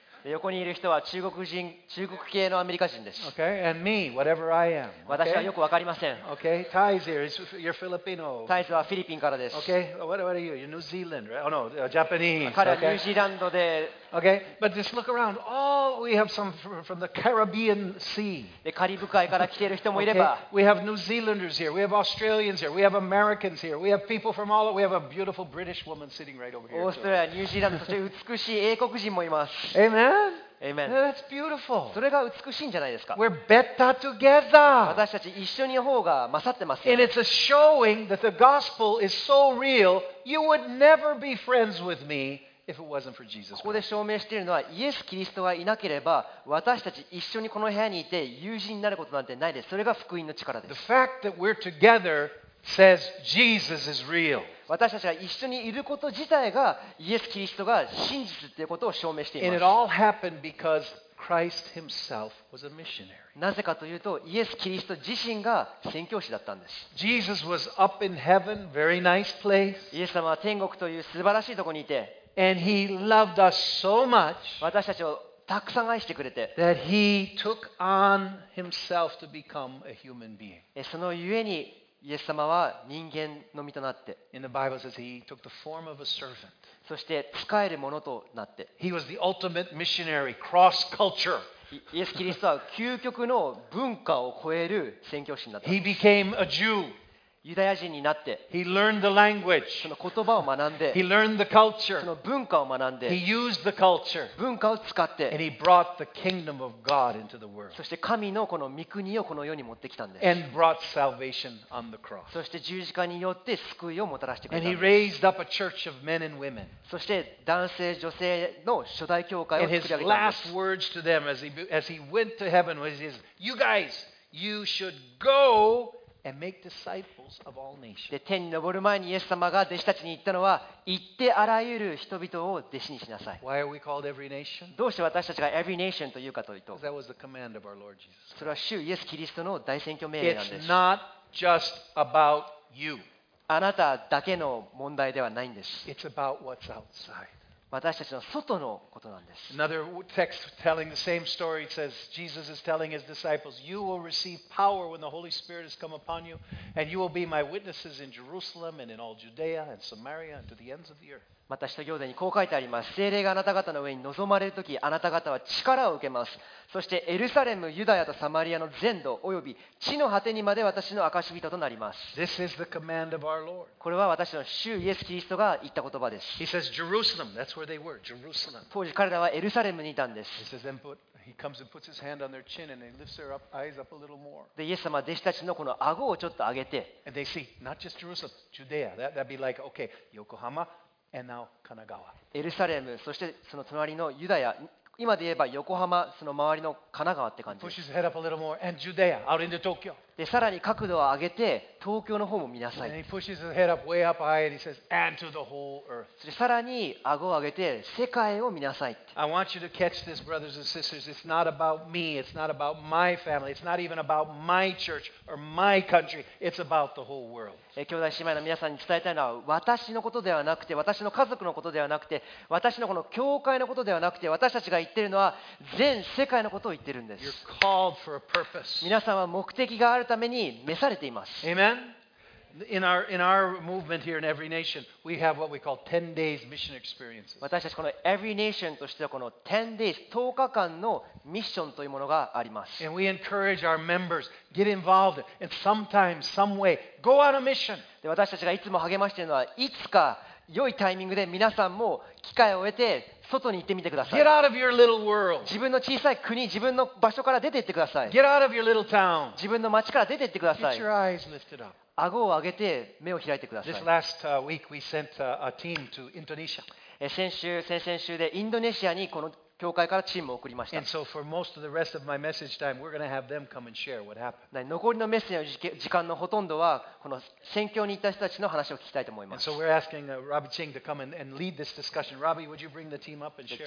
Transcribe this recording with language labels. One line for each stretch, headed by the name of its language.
Japanese: 横にいる人は中国人、中国系のアメリカ人です。
English: Okay, and me, whatever I am. Okay?
Japanese: 私はよくわかりません。
English: Okay, Ty's here. You're Filipino.
Japanese: Ty's はフィリピンからです。
English: Okay, what are you? You're New Zealand, right? Oh no, Japanese.
Japanese: 彼はニュージーランドで。
English: Okay, but just look around. All we have some from the Caribbean Sea.
Japanese: でカリブ海から来ている人もいれば。
English: Okay, we have New Zealanders here. We have Australians here. We have Americans here. We have people from all. We have a beautiful British woman sitting right over here.
Japanese: オーストラリア、ニュージーランド、そして美しい英国人もいます。
English: Amen. Amen. That's beautiful.
Japanese: それが美しいんじゃないですか。
English: We're better together.
Japanese: 私たち一緒に方が勝ってます
English: よ。And it's a showing that the gospel is so real, you would never be friends with me if it wasn't for Jesus.
Japanese: ここで証明しているのは、イエス・キリストがいなければ、私たち一緒にこの部屋にいて友人になることなんてないです。それが福音の力です。
English: The fact that we're together says Jesus is real.
Japanese: 私たちが一緒にいること自体がイエス・キリストが真実ということを証明しています。
English: And it all happened because Christ himself was a missionary.
Japanese: なぜかというと、イエス・キリスト自身が宣教師だったんです。
English: Jesus was up in heaven, very nice place.
Japanese: イエス様は天国という素晴らしいところにいて、
English: And he loved us so much.
Japanese: 私たちをたくさん愛してくれて、
English: That he took on himself to become a human being.
Japanese: そのゆえに、イエス様は人間の身となって、
English: In the Bible says he took the form of a servant.
Japanese: そして仕えるものとなって、
English: He was the ultimate missionary cross culture.
Japanese: イエス・キリストは究極の文化を超える宣教師になった。
English: He became a Jew.
Japanese: ユダヤ人になって、
English: He learned the language.
Japanese: その言葉を学んで、
English: He learned the culture.
Japanese: その文化を学んで、
English: He used the culture.
Japanese: 文化を使って、
English: And he brought the kingdom of God into the world.
Japanese: そして神のこの御国をこの世に持ってきたんです。
English: And brought salvation on the cross.
Japanese: そして十字架によって救いをもたらしてくれたん
English: です。And he raised up a church of men and women.
Japanese: そして男性女性の初代教会を作り上げたんです。
English: And his last words to them as he went to heaven was, "You guys, you should go." And make disciples of all nations.
Japanese: で、天に昇る前にイエス様が弟子たちに言ったのは、行ってあらゆる人々を弟子にしなさい。
English: Why are we called every nation?
Japanese: どうして私たちが every nation というかというと、
English: That was the command of our Lord Jesus Christ.
Japanese: それは主イエス・キリストの大宣教命令なんです。
English: It's not just about you.
Japanese: あなただけの問題ではないんです。
English: It's about what's outside.
Japanese: 私たちの外のことなんです。
English: Another text telling the same story says Jesus is telling his disciples, You will receive power when the Holy Spirit has come upon you, and you will be my witnesses in Jerusalem and in all Judea and Samaria and to the ends of the earth.
Japanese: また使徒行伝にこう書いてあります。聖霊があなた方の上に臨まれるとき、あなた方は力を受けます。そしてエルサレム、ユダヤとサマリアの全土及び地の果てにまで私の証人となります。
English: This is the command of our Lord.
Japanese: これは私の主イエス・キリストが言った言葉です。
English: He says, Jerusalem, that's where they were, Jerusalem.
Japanese: 当時彼らはエルサレムにいたんです。
English: He says, then put, he comes and puts his hand on their chin and he lifts their up, eyes up a little more.
Japanese: で、イエス様は弟子たちのこの顎をちょっと上げて。
English: And they see, not just Jerusalem, Judea. That'd be like, okay, Yokohama. And now, Kanagawa.
Japanese: エルサレム、そしてその隣のユダヤ、今で言えば横浜、その周りの神奈川って感じです。
English: Push his head up a little more, and Judea, out into Tokyo.
Japanese: で、さらに角度を上げて、東京の方も見なさい。
English: And he pushes his head up way up high, and he says, and to the whole earth.
Japanese: そしてさらに顎を上げて、世界を見なさいって。
English: I want you to catch this, brothers and sisters. It's not about me. It's not about my family. It's not even about my church or my country. It's about the whole world.
Japanese: 兄弟姉妹の皆さんに伝えたいのは私のことではなくて私の家族のことではなくて私のこの教会のことではなくて私たちが言っているのは全世界のことを言っているんです。
English: You're called for a purpose.
Japanese: 皆さんは目的があるために召されています。
English: Amen? In our movement here in Every Nation, we have what we call 10 days mission experiences.
Japanese: 私たちこの Every Nation としてはこの10 days、10日間のミッションというものがあります。
English: And we encourage our members, get involved in sometime, some way, go on a mission.
Japanese: で、私たちがいつも励ましているのは、いつか良いタイミングで皆さんも機会を得て外に行ってみてください。
English: Get out of your little world.
Japanese: 自分の小さい国、自分の場所から出て行ってください。
English: Get out of your little town.
Japanese: 自分の町から出て行ってください。
English: Get your eyes lifted up.
Japanese: 顎を上げて目を開いてください。
English: This last week we sent a team to Indonesia.
Japanese: 先々週でインドネシアにこの教会からチームを送りました。
English: And so for most of the rest of my message time, we're going to have them come and share what happened.
Japanese: 残りのメッセージの時間のほとんどはこの宣教に行った人たちの話を聞きたいと思います。
English: And so we're asking Robbie Ching to come and lead this discussion. Robbie, would you bring the team up and share?